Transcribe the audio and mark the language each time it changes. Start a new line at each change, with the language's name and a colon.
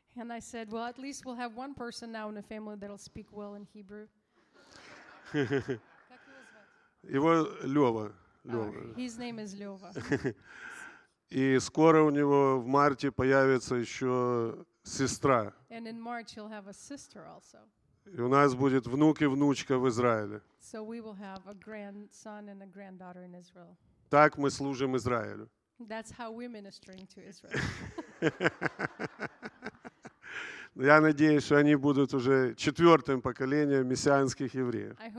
English: And I said, well, at least we'll have one person now in the family that'll speak well in Hebrew.
Russian: Его Лёва. Лёва.
English: His name is Лёва.
Russian: И скоро у него в марте появится еще сестра.
English: And in March he'll have a sister also.
Russian: И у нас будет внук и внучка в Израиле.
English: So we will have a grandson and a granddaughter in Israel.
Russian: Так мы служим Израилю.
English: That's how we're ministering to Israel.
Russian: Я надеюсь, что они будут уже четвертым поколением мессианских евреев.